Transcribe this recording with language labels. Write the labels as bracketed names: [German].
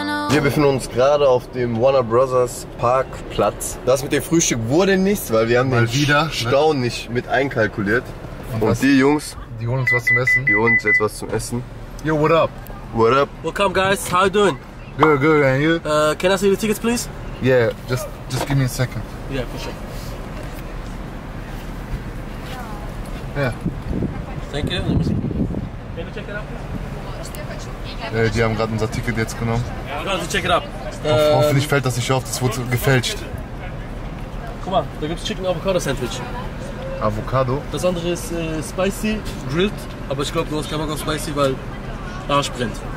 [German] Wir befinden uns gerade auf dem Warner Brothers Parkplatz. Das mit dem Frühstück wurde nichts, weil wir haben mal den wieder, Stau ne? nicht mit einkalkuliert. Und die Jungs, die holen uns was zum Essen. Die holen uns jetzt was zum Essen. [English] Yo, what up? What up? Welcome, guys. How you doing? Good, good. And you? Can I see the tickets, please? Yeah, just give me a second. Yeah, for sure. Yeah. Thank you. Let me see. Can you check it out, please? [German] Die haben gerade unser Ticket jetzt genommen. Ja, wir können sie checken ab. Hoffentlich fällt das nicht auf, das wurde gefälscht. Guck mal, da gibt es Chicken Avocado Sandwich. Avocado? Das andere ist spicy, grilled, aber ich glaube, du hast keinen Bock auf spicy, weil Arsch brennt.